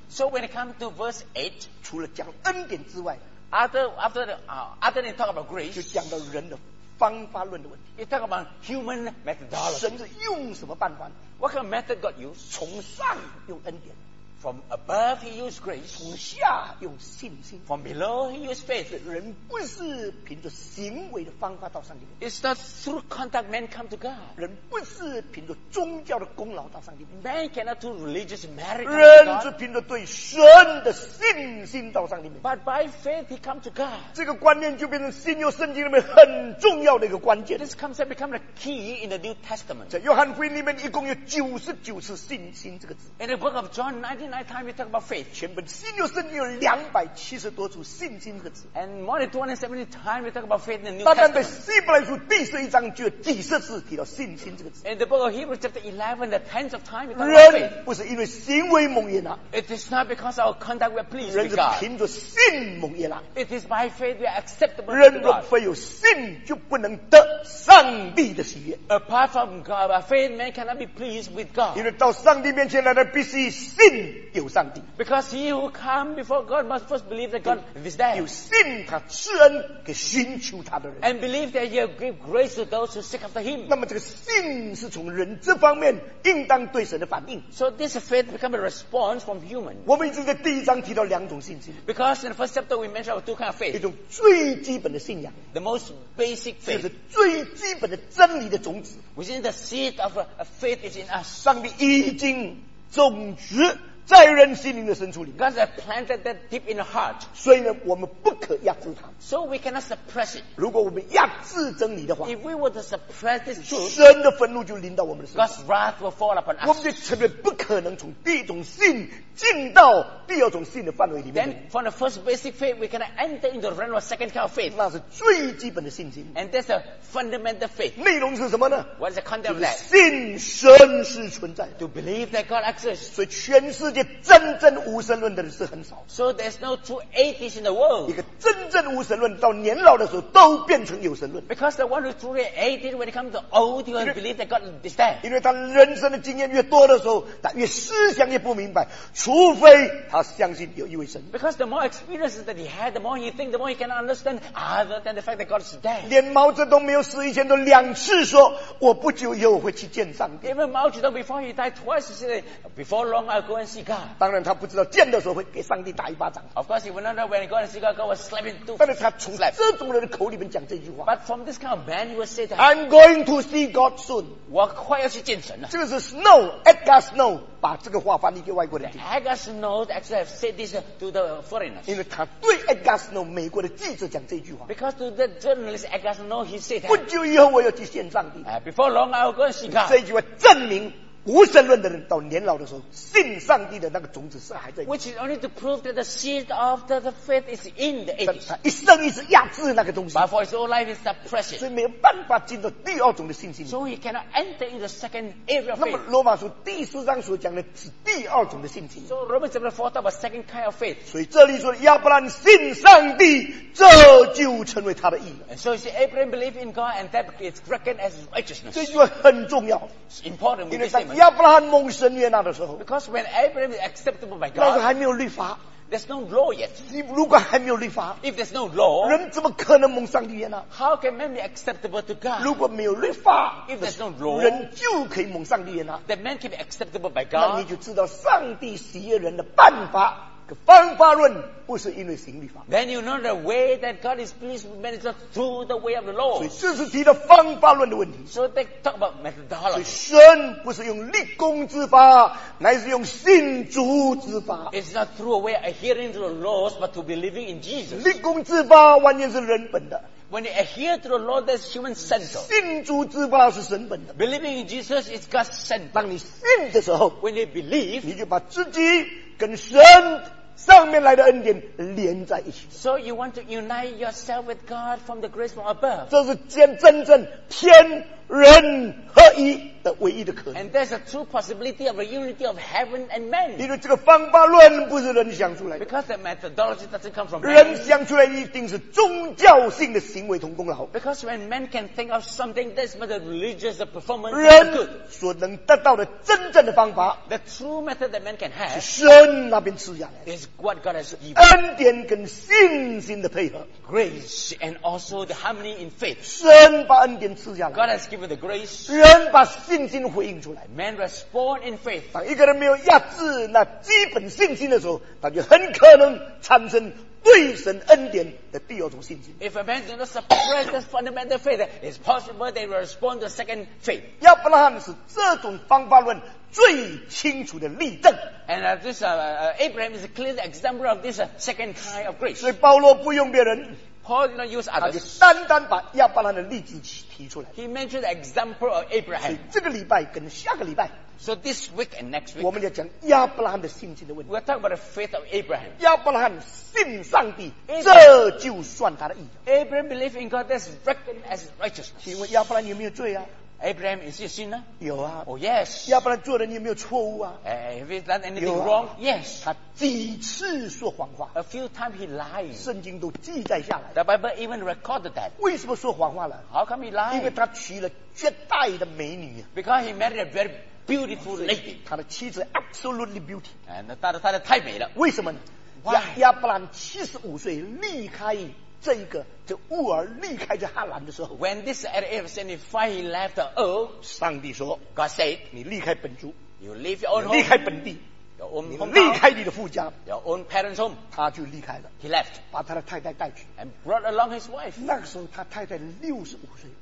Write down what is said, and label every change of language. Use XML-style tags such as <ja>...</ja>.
<en>，So when it comes to verse 8,</en> <zh>除了讲恩典之外</zh> <en>，after they talk about grace,</en> <zh>就讲到人的。方法论的问题。</zh> <en>You talk about human methodology.</en> <zh>神是用什么办法？</zh> <en>What kind of method God used?</en> <zh>从上用恩典。</zh> <en>From above he used grace.</en> <zh>从下用信心。</zh> <en>From below he used faith.</en> <zh>人不是凭着行为的方法到上帝面</zh> <en>前。It's not through contact man come to God.</en> <zh>人不是凭着宗教的功劳到上帝面前。</zh> <en>Man cannot through religious merit.</en> <zh>人是凭着对神的信心到上帝面前。</zh> <en>But by faith he come to God.</en> <zh>这个观念就变成新约圣经里面很重要的一个关键。</zh> <en>This concept become the key in the New Testament.</en> <zh>在约翰福音里面一共有99次信心这个字。</zh> <en>In the book of John 99 times we talk about faith.</en> <zh>全本新约圣经有270多处信心这个字。</zh> <en>And more than 270 times we talk about faith in the New Testament.</en> <zh>单单在希伯来书第十一章就有几十次提到信心这个字。</zh> <en>And the book of Hebrews chapter 11, the tens of times we talk about faith.</en> <zh>人不是因为行为蒙悦纳。</zh> <en>It is not because our conduct we are pleased with God.</en> <zh>人是凭着信蒙悦纳。</zh> <en>It is by faith we are acceptable to God.</en> <zh>人若非有信，就不能得上帝的喜悦。</zh> <en>Apart from God, by faith man cannot be pleased with God.</en> <zh>因为到上帝面前来的必须信。有上帝</zh> <en>because he who come before God must first believe that God is there</en> <zh>有信他施恩给寻求他的人</zh> <en>and believe that he will give grace to those who seek after him</en> <zh>那么这个信是从人这方面应当对神的反应</zh> <en>so this faith becomes a response from human</en> <zh>我们已经在第一章提到两种信心</zh> <en>because in the first chapter we mentioned two kinds of faith</en> <zh>一种最基本的信仰</zh> <en>the most basic faith</en> <zh>就是最基本的真理的种子</zh> <en>which is the seed of a faith is in us</en> <zh>上帝已经种植在人心灵的深处里面</zh> <en>God has planted that deep in the heart</en> <zh>所以呢我们不可压制它</zh> <en>So we cannot suppress it</en> <zh>如果我们压制真理的话</zh> <en>If we were to suppress this truth</en> <zh>神的愤怒就临到我们的身上</zh> <en>God's wrath will fall upon us</en> <zh>我们就特别不可能从第一种信进到第二种信的范围里面</zh> <en>Then from the first basic faith we cannot enter into the realm of second kind of faith</en> <zh>那是最基本的信心</zh> <en>And that's a fundamental faith</en> <zh>内容是什么呢</zh> <en>What is the content of that</en> <zh>就是信神是存在的</zh> <en>To believe that God exists</en> <zh>所以全世界真正无神论的人是很少。</zh> <en>So there's no true atheist in the world.</en> <zh>一个真正无神论到年老的时候都变成有神论。</zh> <en>Because the one who truly atheist when it comes to old, he will believe that God is there.</en> <zh>因为他人生的经验越多的时候，他越思想越不明白，除非他相信有一位神。</zh> <en>Because the more experiences that he had, the more he think, the more he can understand other than the fact that God is there.</en> <zh>连毛泽东没有死以前都两次说，我不久以后会去见上帝。</zh> <en>Even Mao Zedong before he died twice said, before long I'll go and see.</en> <zh>当然他不知道见的时候会给上帝打一巴掌</zh> <en>Of course he would not know when he got to see God God was slapping to</en> <zh>但是他从这种人的口里面讲这句话</zh> <en>But from this kind of man he would say that I'm going to see God soon</en> <zh>我快要去见神了这个是 Snow Edgar Snow 把这个话翻译给外国人听</zh> <en>Edgar Snow actually have said this to the foreigners</en> <zh>因为他对 Edgar Snow 美国的记者讲这句话</zh> <en>Because to the journalist Edgar Snow he said that</en> <zh>不久以后我要去见上帝</zh> <en>Before long I will go and see God</en> <zh>这句话证明无神论的人到年老的时候信上帝的那个种子是还在</zh> <en>Which is only to prove that the seed of the faith is in the atheist</en> <zh>他一生一直压制那个东西</zh> <en>But for his whole life is suppressed</en> <zh>所以没有办法进到第二种的信心</zh> <en>So he cannot enter into the second area of faith</en> <zh>那么罗马书第四章所讲的是第二种的信心</zh> <en>So Romans chapter 4 talk about second kind of faith</en> <zh>所以这里说亚伯兰信上帝这就成为他的义</zh> <en>And so you see Abraham believed in God and that is reckoned as righteousness</en> <zh>这句话很重要</zh> <en>It's important with this statement</en> <zh>亚伯拉罕蒙神悦纳的时候</zh> <en>Because when Abraham is acceptable by God</en> <zh>那时候还没有律法</zh> <en>There's no law yet</en> <zh>如果还没有律法</zh> <en>If there's no law</en> <zh>人怎么可能蒙上帝悦纳</zh> <en>How can man be acceptable to God</en> <zh>如果没有律法</zh> <en>If there's no law</en> <zh>人就可以蒙上帝悦纳</zh> <en>That man can be acceptable by God</en> <zh>那你就知道上帝喜悦人的办法方法论不是因为行律法。</zh> <en>Then you know the way that God is pleased with man is through the way of the law.</en> <zh>所以这是提到方法论的问题。</zh> <en>So they talk about methodology.</en> <zh>所以神不是用立功之法，乃是用信主之法。</zh> <en>It's not through a way of adhering to the laws, but to believing in Jesus.</en> <zh>立功之法完全是人本的。</zh> <en>When you adhere to the law, that's human center.</en> <zh>信主之法是神本的。</zh> <en>Believing in Jesus is God's center.</en> <zh>当你信的时候</zh> <en>，When you believe，</en> <zh>你就把自己跟神上面来的恩典连在一起。</zh> <en>So you want to unite yourself with God from the grace from above.</en> <zh>这是真正天人合一的唯一的可能。</zh> <en>And there's a true possibility of a unity of heaven and man.</en> <zh>因为这个方法论不是人想出来的。</zh> <en>Because that methodology doesn't come from man.</en> <zh>人想出来一定是宗教性的行为同功劳。</zh> <en>Because when man can think of something, that's not a religious performance.</en> <zh>人所能得到的真正的方法</zh> <en>，the true method that man can have，</en> <zh>是神那边赐下来的。</zh> <en>Is what God has given.</en> <zh>恩典跟信心的配合。</zh> <en>Grace and also the harmony in faith.</en> <zh>神把恩典赐下来。</zh> <en>God has given the grace.</en> <zh>人把信心回应出来。</zh> <en>Man respond in faith.</en> <zh>当一个人没有压制那基本信心的时候，他就很可能产生对神恩典的第二种信心。</zh> <en>If a man does not suppress the fundamental faith, it's possible they respond to second faith.</en> <zh>亚伯拉罕是这种方法论最清楚的例证。</zh> <en>And this Abraham is a clear example of this second kind of grace.</en> <zh>所以保罗不用别人。</zh> <en>Paul did not use others.</en> <zh>他就单单把亚伯拉罕的例子提出来。</zh> <en>He mentioned the example of Abraham.</en> <zh>所以这个礼拜跟下个礼拜。</zh> <en>So this week and next week,</en> <zh>我们要讲亚伯拉罕的信心的问题。</zh> <en>We're talking about the faith of Abraham.</en> <zh>亚伯拉罕信上帝，</zh> <en>Abraham,</en> <zh>这就算他的义。</zh> <en>Abraham believed in God, that's reckoned as righteousness.</en> <zh>请问亚伯拉罕有没有罪啊？</zh> <en>Abraham is your sin?</en> <zh>有啊。</zh> <en>Oh yes.</en> <zh>亚伯拉罕做人有没有错误啊？</zh> <en>Have you done anything wrong? Yes.</en> <zh>他几次说谎话？</zh> <en>A few times he lied.</en> <zh>圣经都记载下来。</zh> <en>The Bible even recorded that.</en> <zh>为什么说谎话了？</zh> <en>How come he lied?</en> <zh>因为他娶了绝代的美女。</zh> <en>Because he married a very beautiful lady.</en> <zh>他的妻子</zh> <en>absolutely beauty.</en> <zh>但是他的太美了。为什么呢？</zh> <en>Why?</en> <zh>亚伯兰75岁离开这一个这乌尔离开这哈兰的时候。</zh> <en>When this at age 75 he left the Ur,</en> <zh>上帝说</zh> <en>God said,</en> <zh>你离开本族。</zh> <en>You leave your own home.</en> <zh>离开本地。</zh> <en>Your own home.</en> <zh>离开你的父家。</zh> <en>Your own parents home.</en> <zh>他就离开了。</zh> <en>He left.</en> <zh>把他的太太带去。</zh> <en>And brought along his wife.</en> <zh>那个时候他太太65岁。</zh>